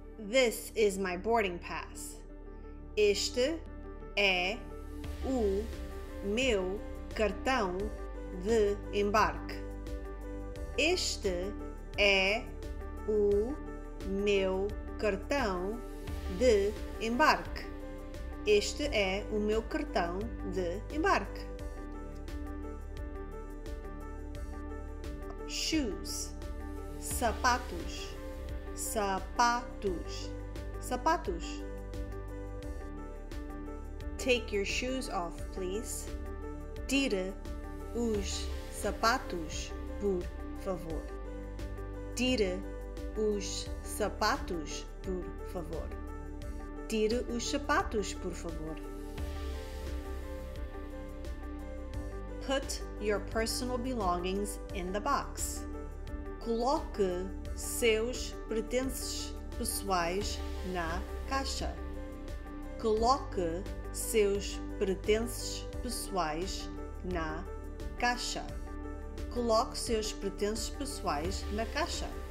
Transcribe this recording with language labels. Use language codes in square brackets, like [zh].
[en] This is my boarding pass. [pt] Este é o meu cartão de embarque. Este é o meu cartão de embarque. Este é o meu cartão de embarque. Shoes. Sapatos. Sapatos. Sapatos. [en] Take your shoes off, please. [pt] Tire os sapatos, por favor. Tire os sapatos, por favor. Tire os sapatos, por favor. [en] Put your personal belongings in the box. [pt] coloque seus pertences pessoais na caixa. Coloque seus pertences pessoais na caixa. Coloque seus pertences pessoais na caixa.